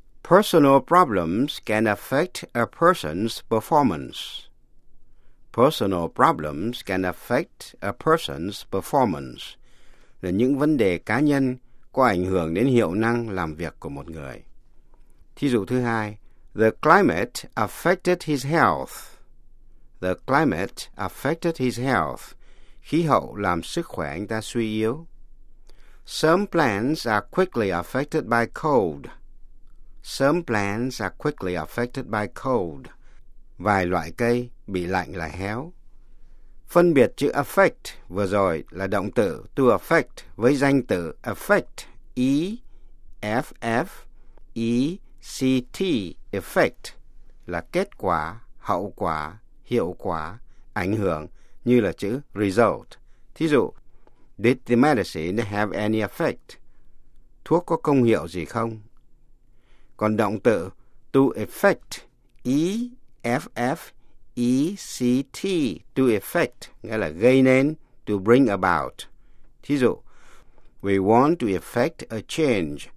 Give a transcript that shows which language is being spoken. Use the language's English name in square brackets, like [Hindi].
[English] Personal problems can affect a person's performance. Personal problems can affect a person's performance. [Vietnamese] Là những vấn đề cá nhân có ảnh hưởng đến hiệu năng làm việc của một người. Thí dụ thứ hai, [English] the climate affected his health. The climate affected his health. [Vietnamese] Khí hậu làm sức khỏe anh ta suy yếu. [English] Some plants are quickly affected by cold. Some plants are quickly affected by cold. [Vietnamese] Vài loại cây bị lạnh là héo. Phân biệt chữ affect vừa rồi là động từ to affect với danh từ affect. E-F-F-E-C-T. Effect là kết quả, hậu quả, hiệu quả, ảnh hưởng, như là chữ result. Thí dụ, [English] did the medicine have any effect? [Vietnamese] Thuốc có công hiệu gì không? Còn động từ to affect, E-F-F-E-C-T, to affect, nghĩa là gây nên, [English] to bring about. [Vietnamese] Thí dụ, [English] we want to effect a change.